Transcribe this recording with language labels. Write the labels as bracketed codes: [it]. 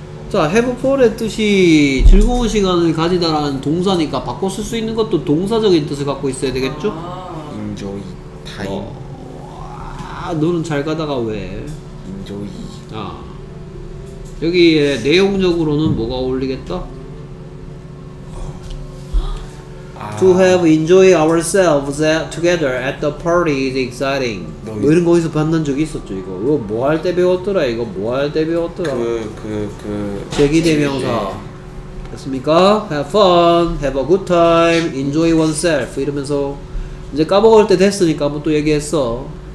[ko] 자, have fun의 뜻이 즐거운 시간을 가지다라는 동사니까 바꿔 쓸 수 있는 것도 동사적인 뜻을 갖고 있어야 되겠죠? [en] Enjoy time. [ko] 어. 아, 너는 잘 가다가 왜? [en] Enjoy. [ko] 아. 여기에 내용적으로는 뭐가 어울리겠다? [en] To have enjoy ourselves together at the party is exciting. [ko] 뭐 이런 거 어디서 봤던 적이 있었죠 이거. 이거 뭐 할 때 배웠더라 이거 뭐 할 때 배웠더라. 그 제기 대명사. 됐습니까? [en] Have fun, have a good time, enjoy oneself. [ko] 이러면서 이제 까먹을 때 됐으니까 한번 또 얘기했어.